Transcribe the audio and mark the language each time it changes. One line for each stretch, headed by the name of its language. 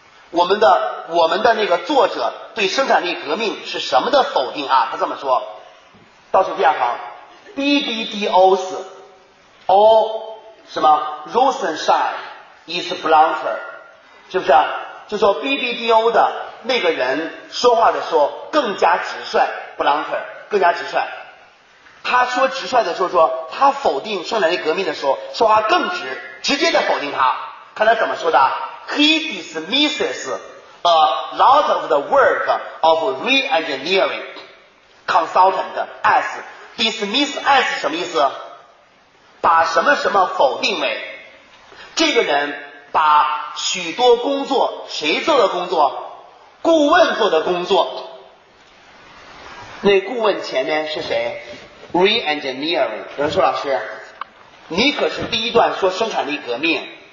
Chinese: 我们的那个作者对生产力革命是什么的否定啊？他这么说，倒数第二行 ，BBDOs all 什么
English: Rosenstein is blunter，
Chinese: 是不是、啊？就说 BBDO 的那个人说话的时候更加直率 ，blunter 更加直率。他说直率的时候说，他否定生产力革命的时候说话更直，直接的否定他。看他怎么说的
English: ，He dismisses a lot of the work of re-engineering consultant as dismiss as
Chinese: 什么意思？把什么什么否定为？这个人把许多工作谁做的工作？顾问做的工作。那顾问前面是谁 ？Re-engineering。有人说老师，你可是第一段说生产力革命。